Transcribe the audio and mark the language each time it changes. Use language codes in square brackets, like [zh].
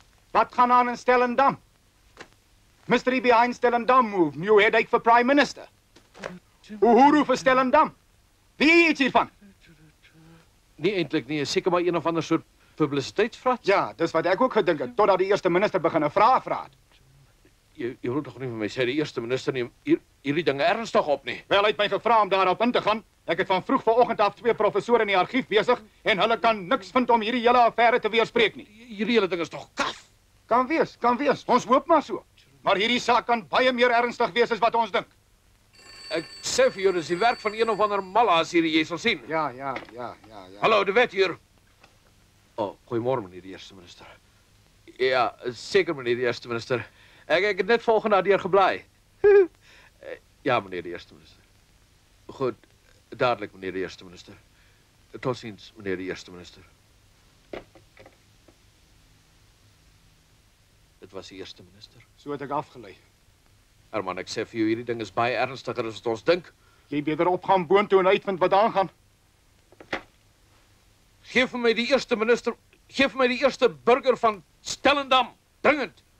[af] Wat gaan aan in Stellendam? [en] Mystery behind Stellendam move. New headache for Prime Minister. Uhuru for Stellendam. [af] Wie eet hiervan? Nie eintlik nie. Seker maar een of ander soort publisiteitsvraat. Ja, dis wat ek ook gedink het. Totdat die eerste minister begin 'n vraag vra. Jy wil toch nie van my sê die eerste minister neem hierdie dinge ernstig op nie? Wel, hy het my gevra om daarop in te gaan. Ek het van vroeg vanoggend af twee professore in die argief besig en hulle kan niks vind om hierdie hele affære te weerspreek nie. Hierdie hele ding is toch kaf? Kan wees, kan wees. Ons hoop maar so. Maar hierdie saak kan baie meer ernstig wees as wat ons dink. Ek sê vir jou, dis die werk van een of ander malaas hierdie, jy sal sien. Ja. Hallo, de wet hier. Oh, goeiemorgen, meneer de eerste minister. Ja, seker, meneer de eerste minister. Ek het net volgende na deur geblaai. Ja, meneer de eerste minister. Goed, dadelijk, meneer de eerste minister. Tot ziens, meneer de eerste minister. Dit was die eerste minister. So het ek afgelei. Herman, ek sê vir jou, hierdie ding is baie ernstiger as wat ons dink. Jy beter opgaan boontoe en uitvind wat aangaan. Geef my die eerste minister, geef my die eerste burger van Stellendam, dringend.